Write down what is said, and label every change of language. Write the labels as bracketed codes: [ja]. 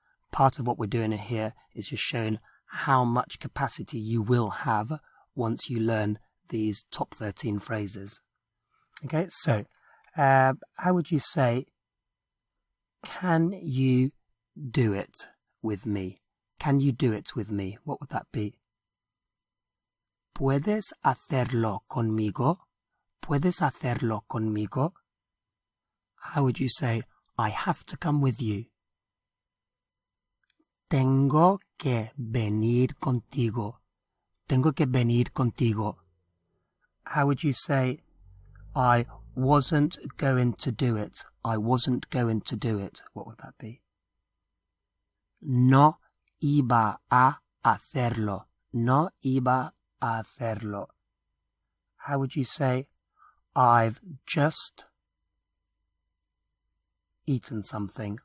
[en] Part of what we're doing here is just showing how much capacity you will have once you learn these top 13 phrases. Okay, so how would you say, can you do it with me? Can you do it with me? What would that be? [es] ¿Puedes hacerlo conmigo? ¿Puedes hacerlo conmigo? [en] How would you say, I have to come with you? [es] Tengo que venir contigo. Tengo que venir contigo. [en] How would you say, I wasn't going to do it? I wasn't going to do it. What would that be? [es] No iba a hacerlo. No iba a hacerlo. [en] How would you say, I've just eaten something?